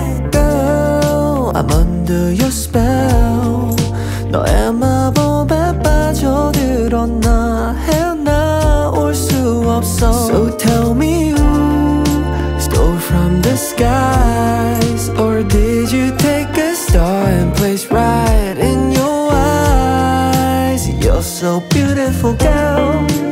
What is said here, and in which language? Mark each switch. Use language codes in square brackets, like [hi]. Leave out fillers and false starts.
[en] Girl, I'm under your spell. [ko] 너의 마법에 빠져들었나 해 나올 수 없어. [en] So tell me who stole from the skies, or did you take a star and place right in your eyes? You're so beautiful, girl.